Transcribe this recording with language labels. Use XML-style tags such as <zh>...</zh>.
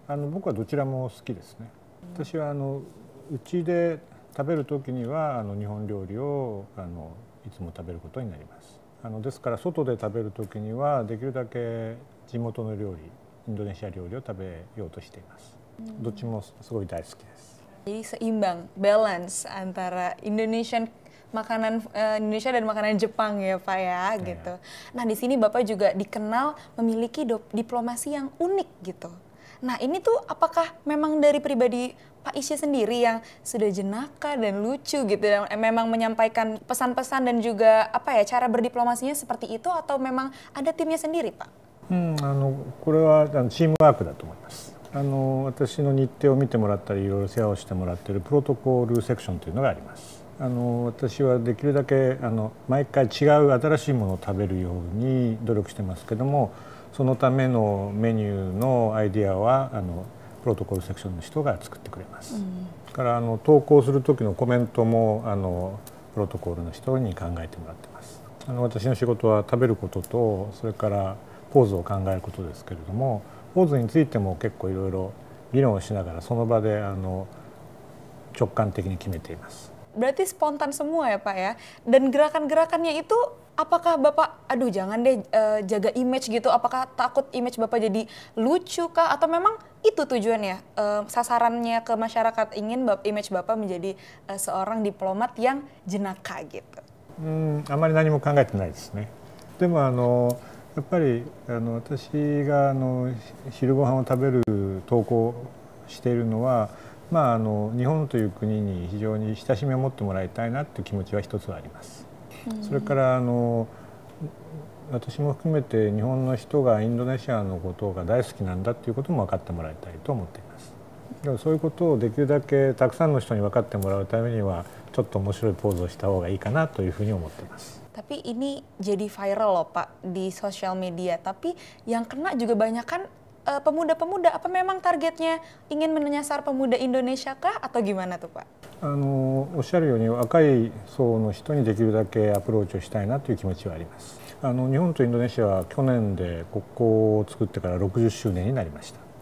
<ja>僕はどちらも好きですね。私はうちで食べるときには日本料理をいつも食べることになります。ですから外で食べるときにはできるだけ地元の料理、インドネシア料理を食べようとしています。どっちもすごい大好きです。</ja> <id>Jadi seimbang, balance antara Indonesian makanan Indonesia dan makanan Jepang ya Pak ya gitu. Nah di sini Bapak juga dikenal memiliki diplomasi yang unik gitu. Nah ini tuh apakah memang dari pribadi Pak Ishi sendiri yang sudah jenaka dan lucu gitu dan memang menyampaikan pesan-pesan dan juga cara berdiplomasinya seperti itu, atau memang ada timnya sendiri Pak?</id> <ja>これはチームワークだと思います。私の日程を見てもらったりいろいろ世話をしてもらっているプロトコールセクションというのがあります。私はできるだけ毎回違う新しいものを食べるように努力してますけども、そのためのメニューのアイディアはプロトコールセクションの人が作ってくれます。うん、から投稿する時のコメントもプロトコールの人に考えてもらってます。私の仕事は食べることとそれからポーズを考えることですけれども、ポーズについても結構いろいろ議論をしながらその場で直感的に決めています。</ja> <id>Berarti spontan semua ya Pak ya? Dan gerakan-gerakannya itu apakah Bapak, aduh jangan deh jaga image gitu, apakah takut image Bapak jadi lucu kah? Atau memang itu tujuannya, sasarannya ke masyarakat ingin image Bapak menjadi seorang diplomat yang jenaka gitu?</id> <ja>Amari nani mo kangaete nai desu ne. Demo yappari watashi ga shiru gohan wo taberu toukou shiteru no wa日本という国に非常に親しみを持ってもらいたいなという気持ちは一つあります。それから私も含めて日本の人がインドネシアのことが大好きなんだということも分かってもらいたいと思っています。でもそういうことをできるだけたくさんの人に分かってもらうためにはちょっと面白いポーズをした方がいいかなというふうに思っています。</ja> <id>Tapi ini jadi viral loh Pak di social media, tapi yang kena juga banyak kan pemuda-pemuda, apa memang targetnya ingin menyasar pemuda Indonesia kah atau gimana tuh Pak?</id> <ja>おっしゃるように若い層の人にできるだけアプローチをしたいなという気持ちはあります。日本とインドネシアは去年で国交を作ってから60周年になりました。</ja>